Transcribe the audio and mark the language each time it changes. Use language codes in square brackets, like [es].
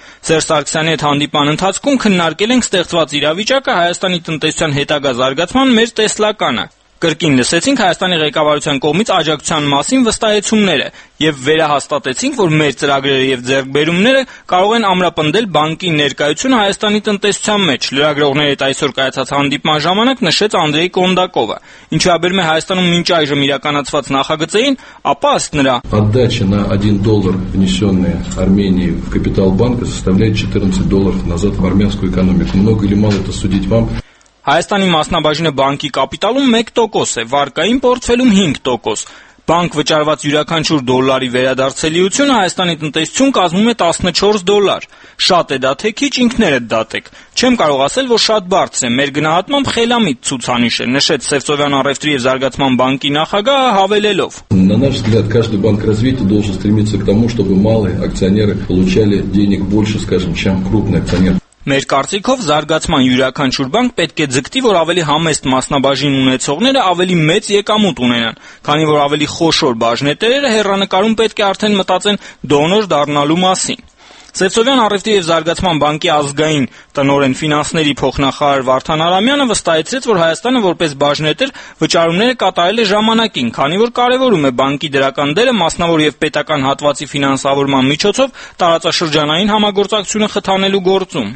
[hy] Սերժ Սարգսյանի հետ հանդիպման ընթացքում քննարկել ենք ստեղծված իրավիճակը, Հայաստանի տնտեսության հետագա զարգացման մեր տեսլականը։ Կրկին լսեցինք Հայաստանի ղեկավարության կողմից աջակցության մասին վստահեցումները և վերահաստատեցինք, որ մեր ծրագրերը և ձեռքբերումները կարող են ամրապնդել բանկի ներկայությունը Հայաստանի տնտեսության մեջ, լրագրողների հետ այսօր կայացած հանդիպման ժամանակ նշեց Անդրեյ Կոնդակովը։ Ինչ վերաբերում է Հայաստանում մինչ այժմ իրականացված նախագծերին, ապա ըստ նրա [ru] отдача на 1 доллар, внесённый Арменией в капитал банка, составляет $14 назад в армянскую экономику. Много или мало это судить вам. [hy] Հայաստանի մասնաբաժինը բանկի կապիտալում 1% է, վարկային պորտֆելում 5%։ Բանկ վճարված յուրաքանչյուր դոլարի վերադարձելիությունը Հայաստանի տնտեսություն կազմում է $14։ Շատ է դա, թե քիչ, ինքներդ դատեք։ Չեմ կարող ասել, որ շատ բարձր է, մեր գնահատմամբ խելամիտ ցուցանիշ է, նշեց Սևծովյան առևտրի և զարգացման բանկի նախագահը հավելելով. [ru] На наш взгляд, каждый банк развития должен стремиться к тому, чтобы малые акционеры получали денег больше, скажем, чем крупные акционеры. [hy] Մեր կարծիքով զարգացման յուրաքանչյուր բանկ պետք է ձգտի, որ ավելի համեստ մասնաբաժին ունեցողները ավելի մեծ եկամուտ ունենան, քանի որ ավելի խոշոր բաժնետերերը հեռանկարում պետք է արդեն մտածեն դոնոր դառնալու մասին։ Սևծովյան առևտրի և զարգացման բանկի ազգային տնօրեն ֆինանսների փոխնախարար Վարդան Արամյանը վստահեցրեց, որ Հայաստանը որպես բաժնետեր վճարումները կատարել է ժամանակին, քանի որ կարևորում է բանկի դրական դերը մասնավոր և պետական հատվածի ֆինանսավորման միջոցով տարածաշրջանային համագործակցությունը խթանելու գործում։